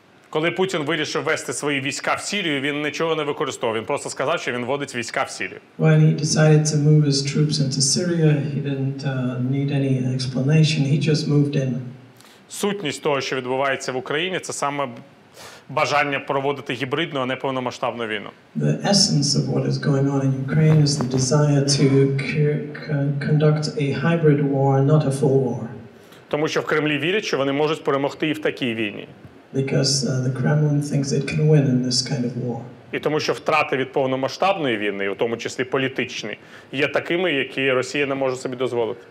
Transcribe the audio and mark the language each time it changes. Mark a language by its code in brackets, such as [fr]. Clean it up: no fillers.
[uk] Коли Путін вирішив ввести свої війська в Сирію, він нічого не використовував. Він просто сказав, що він вводить війська в Сирію. [en] When he decided to move his troops into Syria, he didn't need any explanation. He just moved in. [uk] Сутність того, що відбувається в Україні, це саме бажання проводити гібридну, а не повномасштабну війну. [en] The essence of what is going on in Ukraine is the desire to conduct a hybrid war, not a full war. [uk] Тому що в Кремлі вірять, що вони можуть перемогти і в такій війні. [en] Because the Kremlin thinks it can win in this kind of war. [uk] І тому що втрати від повномасштабної війни, у тому числі політичні, є такими, які Росія не може собі дозволити.